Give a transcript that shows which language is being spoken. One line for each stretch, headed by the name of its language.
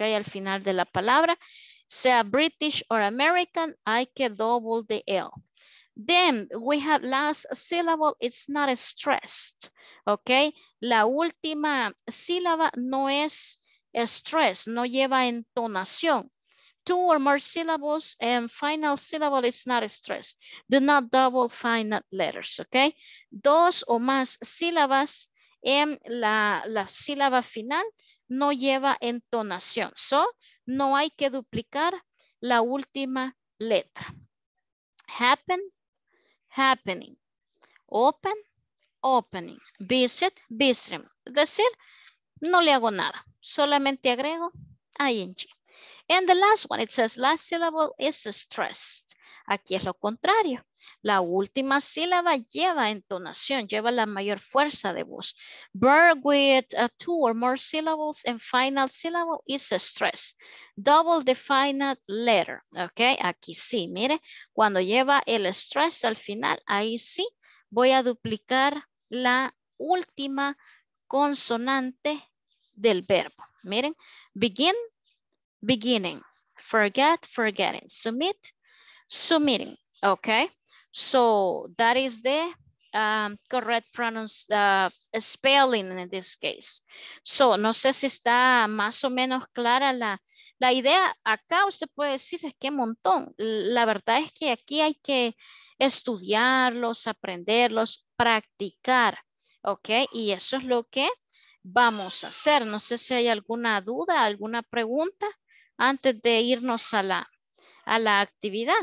Spanish: Al final de la palabra. Sea
English: British or American,
Spanish: hay que
English: double the L. Then we have last syllable, it's not stressed, ¿ok?
Spanish: La última sílaba no es stress, no lleva entonación.
English: Two or more syllables and final syllable is not stressed. Do not double final letters, ¿ok?
Spanish: Dos o más sílabas en la sílaba final no lleva entonación. So, no hay que duplicar la última letra.
English: Happen, happening. Open, opening. Visit, visiting.
Spanish: Es decir, no le hago nada. Solamente agrego ing.
English: And the last one, it says last syllable is stressed.
Spanish: Aquí es lo contrario. La última sílaba lleva entonación, lleva la mayor fuerza de voz.
English: Verb with two or more syllables and final syllable is stressed. Double the final letter.
Spanish: Ok, aquí sí, mire, cuando lleva el stress al final, ahí sí voy a duplicar la última consonante del verbo.
English: Miren, begin, beginning. Forget, forgetting. Submit, submitting. Ok. So that is the correct spelling in this case.
Spanish: So no sé si está más o menos clara la idea. Acá usted puede decir, es que montón. La verdad es que aquí hay que estudiarlos, aprenderlos, practicar. ¿Ok? Y eso es lo que vamos a hacer. No sé si hay alguna duda, alguna pregunta antes de irnos a la actividad.